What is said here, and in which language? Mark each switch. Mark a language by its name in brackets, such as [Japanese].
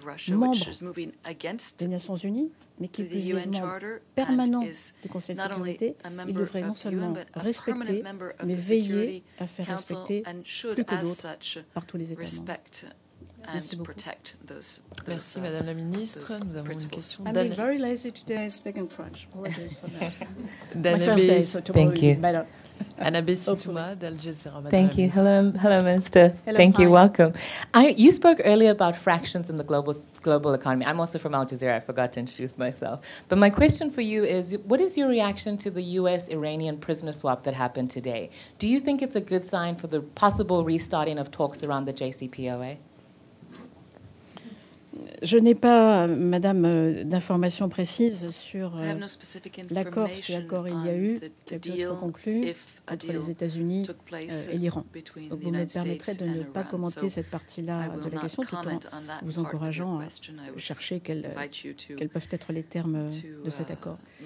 [French] membre des Nations Unies, mais qui plus est membre permanent du Conseil de sécurité, il devrait non seulement respecter, mais veiller à faire respecter plus que d'autres par tous les États membres. Merci, Madame la Ministre. Nous avons une question d'Anne. [English] I'm very lazy today. I speak in French. Danne my first day, so thank you. Anna Bessitouma, Al Jazeera. Thank you. Hello, Minister. Hello, thank you. Welcome. You spoke earlier about fractions in the global economy. I'm also from Al Jazeera. I forgot to introduce myself. But my question for you is, what is your reaction to the U.S.-Iranian prisoner swap that happened today? Do you think it's a good sign for the possible restarting of talks around the JCPOA? [French] Je n'ai pas, Madame, d'informations précises sur l'accord, si l'accord il y a eu, qui a pu être conclu entre les États-Unis et l'Iran. Donc vous me permettrez de ne pas commenter cette partie-là de la question, tout en vous encourageant à chercher quels peuvent être les termes de cet accord.